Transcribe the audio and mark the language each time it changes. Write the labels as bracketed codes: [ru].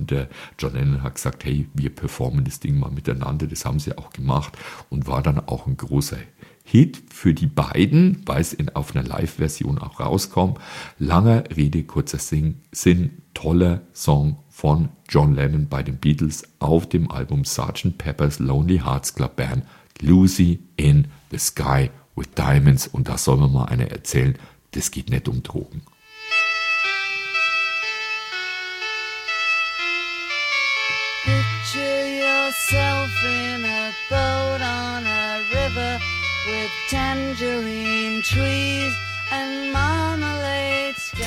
[de] Und der John Lennon hat gesagt, hey, wir performen das Ding mal miteinander. Das haben sie auch gemacht und war dann auch ein großer Hit für die beiden, weil es auf einer Live-Version auch rauskommt. Langer Rede, kurzer Sinn, toller Song von John Lennon bei den Beatles auf dem Album Sgt. Pepper's Lonely Hearts Club Band, Lucy in the Sky with Diamonds. Und da soll mir mal einer erzählen, das geht nicht um Drogen. [en] Picture yourself in a boat on a river with tangerine trees and marmalade skies.